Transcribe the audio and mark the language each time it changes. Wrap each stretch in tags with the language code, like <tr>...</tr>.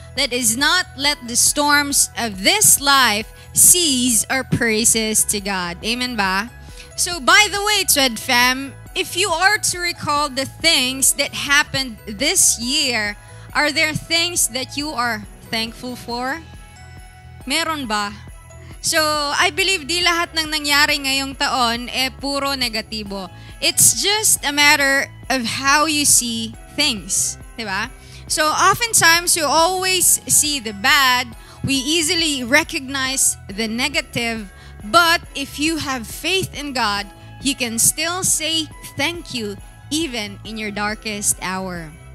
<en>Let us not let the storms of this life seize our praises to God. Amen ba? So, by the way, TWED fam, if you are to recall the things that happened this year, are there things that you are thankful for?</en> <tl>Meron ba? So,</tl> <en>I believe</en> <tl>di lahat ng nangyari ngayong taon puro negatibo.</tl> <en>It's just a matter of how you see things, di ba? So, oftentimes, you always see the bad. We easily recognize the negative. But if you have faith in God, you can still say thank you even in your darkest hour.</en>